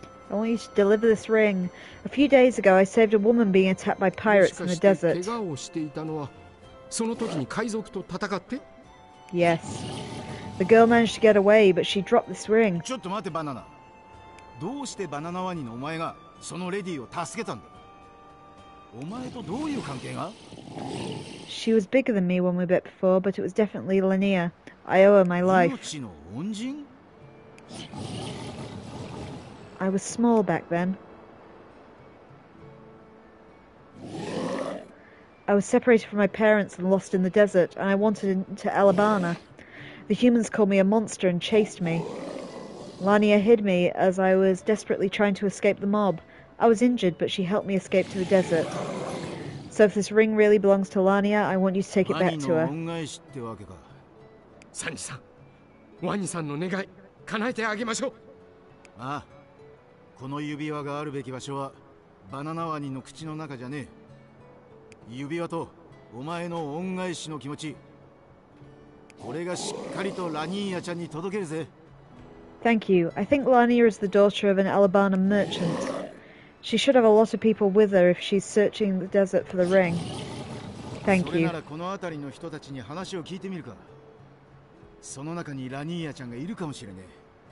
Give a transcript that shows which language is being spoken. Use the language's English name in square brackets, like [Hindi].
[English] I want you to deliver this ring. A few days ago, I saved a woman being attacked by pirates in the desert. [Japanese] しかし、怪我をしていたのは、その時に海賊と戦って? [English] Yes. The girl managed to get away, but she dropped this ring. [Japanese] ちょっと待て、バナナ。どうしてバナナワニのお前がそのレディを助けたんだ? お前とどういう関係が? [English] She was bigger than me when we met before, but it was definitely Lania. I owe her my life. [Japanese] 命の恩人? [English] I was small back then. I was separated from my parents and lost in the desert, and I wandered into Alabana. The humans called me a monster and chased me. Lania hid me as I was desperately trying to escape the mob. I was injured, but she helped me escape to the desert. So if this ring really belongs to Lania, I want you to take it back to her. [Japanese] Sanji-san, Wani-san の願い、叶えてあげましょう。ああ。この指輪があるべき場所はバナナワニの口の中じゃねえ。指輪とお前の恩返しの気持ち、俺がしっかりとラニーヤちゃんに届けるぜ。 [English] Thank you. I think Lania is the daughter of an Alabana merchant. She should have a lot of people with her if she's searching the desert for the ring. Thank you. [Japanese] それならこの辺りの人たちに話を聞いてみるか。その中にラニーヤちゃんがいるかもしれねえ。